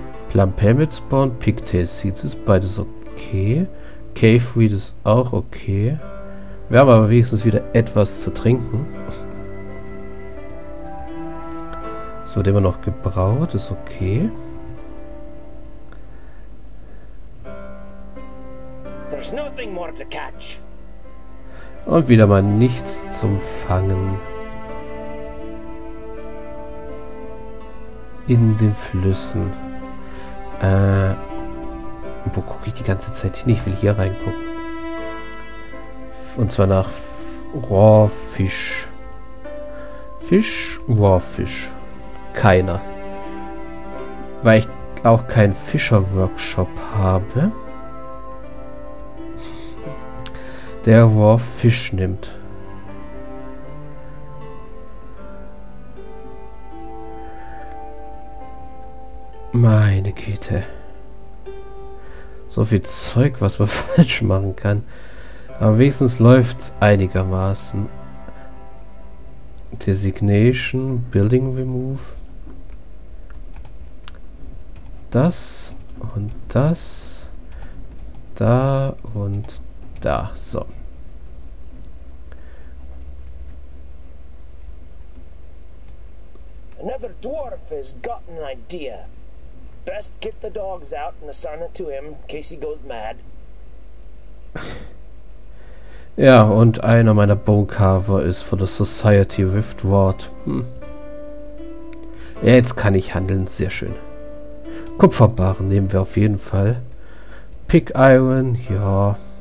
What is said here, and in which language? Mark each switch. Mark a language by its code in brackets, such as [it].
[de] Plum Permit Spawn, Pigtail Seeds ist beides okay. Cave Weed ist auch okay. Wir haben aber wenigstens wieder etwas zu trinken. Es wird immer noch gebraut, ist okay. [en] There's nothing more to catch. [de] Und wieder mal nichts zum Fangen. In den Flüssen. Wo gucke ich die ganze Zeit hin? Ich will hier reingucken. Und zwar nach Rohrfisch. Fisch? Rohrfisch. Keiner. Weil ich auch keinen Fischer-Workshop habe. Der Rohrfisch nimmt. Meine Güte. So viel Zeug, was man falsch machen kann. Aber wenigstens läuft es einigermaßen. [en] Designation, Building Remove. [de] Das und das. Da und da. So. [en] Another dwarf has got an idea. Best get the dogs out and assign it to him, in case he goes mad. [de] Ja, und einer meiner Bonecarver ist von der Society Rift Ward. Ja, jetzt kann ich handeln, sehr schön. Kupferbarren nehmen wir auf jeden Fall. Pick Iron, ja.